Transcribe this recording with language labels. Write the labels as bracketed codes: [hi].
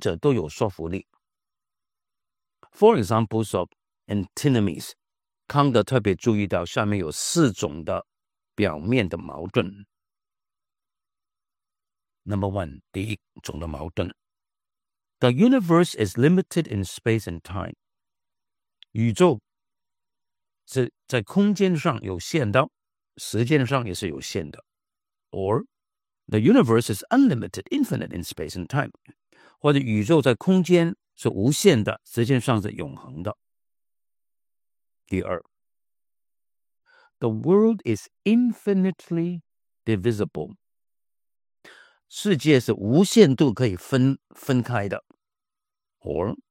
[zh] 有可能同时有两个命题、两个概念,彼此是矛盾的,但是两者都有说服力。 [en] Four examples of antinomies. [zh] 康德特别注意到下面有四种的表面的矛盾。 [en] Number one, [zh] 第一种的矛盾, [en] The universe is limited in space and time. [zh] 宇宙是在空间上有限的,时间上也是有限的。 [en] Or, the universe is unlimited, infinite in space and time. [zh] 或者宇宙在空间是无限的,时间上是永恒的。第二, [en] The world is infinitely divisible. [zh] 世界是无限度可以分开的。 [en] Or,